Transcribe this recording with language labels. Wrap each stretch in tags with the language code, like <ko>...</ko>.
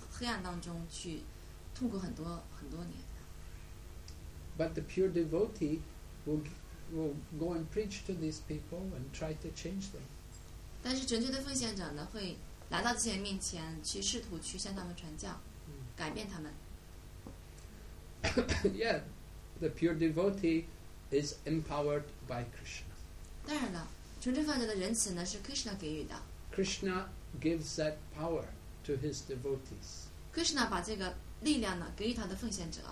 <zh>黑暗当中去痛苦很多很多年。</zh> <en>But the pure devotee will go and preach to these people and try to change them.</en> <zh>但是纯粹的奉献者呢，会来到这些面前去试图去向他们传教，改变他们。</zh> <en>Yeah, the pure devotee is empowered by Krishna.</en> <zh>当然了，纯粹奉献的仁慈呢是 Krishna 给予的。</zh> <en>Krishna gives that power to his devotees.</en> <zh>Krishna 把这个力量呢给予他的奉献者。</zh>